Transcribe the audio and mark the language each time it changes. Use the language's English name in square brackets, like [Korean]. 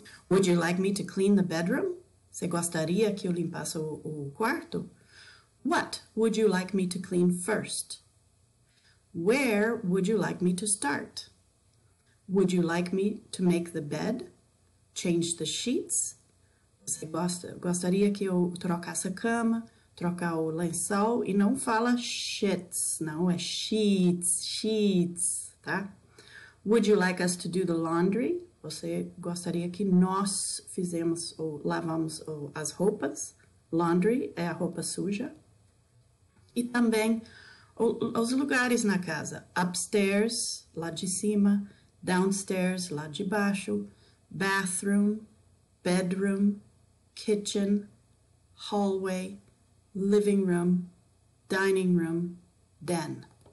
[English] Would you like me to clean the bedroom? [Portuguese] Você gostaria que eu limpasse o quarto? [English] What would you like me to clean first? Where would you like me to start? Would you like me to make the bed? Change the sheets? [Portuguese] Você gostaria que eu trocasse a cama, trocar o lençol? E não fala sheets, não, é sheets, tá? [English] Would you like us to do the laundry? [Portuguese] Você gostaria que nós fizemos ou lavamos as roupas? Laundry é a roupa suja. E também os lugares na casa. [English] Upstairs, [Portuguese] lá de cima. [English] Downstairs, [Portuguese] lá de baixo, [English] bathroom, bedroom, kitchen, hallway, living room, dining room, den.